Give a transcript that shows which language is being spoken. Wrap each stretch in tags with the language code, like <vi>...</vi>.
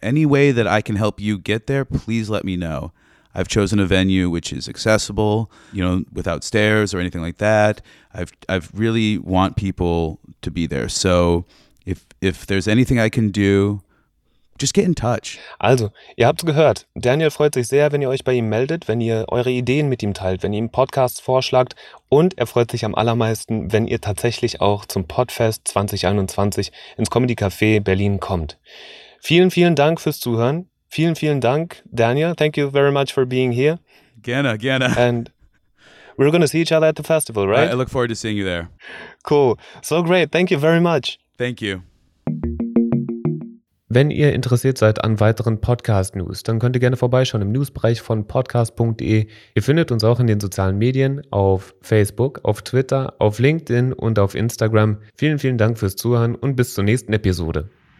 <en>Any way that I can help you get there, please let me know. I've chosen a venue which is accessible, you know, without stairs or anything like that. I've really want people to be there. So if there's anything I can do, just get in touch.</en> <de>Also, ihr habt's gehört. Daniel freut sich sehr, wenn ihr euch bei ihm meldet, wenn ihr eure Ideen mit ihm teilt, wenn ihr ihm Podcasts vorschlagt. Und er freut sich am allermeisten, wenn ihr tatsächlich auch zum Podfest 2021 ins Comedy Café Berlin kommt. Vielen, vielen Dank fürs Zuhören. Vielen, vielen Dank, Daniel.</de> <en>Thank you very much for being here.</en> <de>Gerne, gerne.</de> <en>And we're going to see each other at the festival, right? I look forward to seeing you there. Cool. So great. Thank you very much. Thank you.</en> <de>Wenn ihr interessiert seid an weiteren Podcast-News, dann könnt ihr gerne vorbeischauen im Newsbereich von podcast.de. Ihr findet uns auch in den sozialen Medien, auf Facebook, auf Twitter, auf LinkedIn und auf Instagram. Vielen, vielen Dank fürs Zuhören und bis zur nächsten Episode.</de>